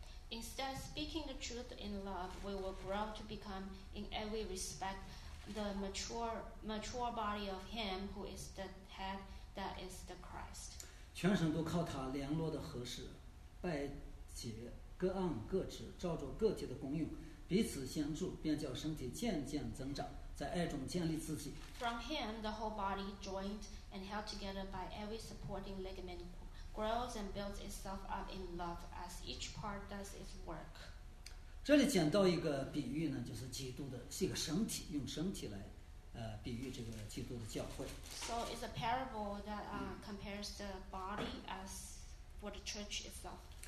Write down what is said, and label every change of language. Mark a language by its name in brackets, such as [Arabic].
[English] Instead, speaking the truth in love, we will grow to become, in every respect, the mature body of Him who is the head, that is the Christ. [Chinese] 全省都靠他联络的合适，拜解各按各职，照着个体的功用，彼此相助，便叫身体渐渐增长，在爱中建立自己。 [English] From Him, the whole body, joined and held together by every supporting ligament. Grows and builds itself up in love as each part does its work. [Chinese] 这里讲到一个比喻呢，就是基督的是一个身体，用身体来，比喻这个基督的教会。 [English] So it's a parable that compares the body as for the church itself.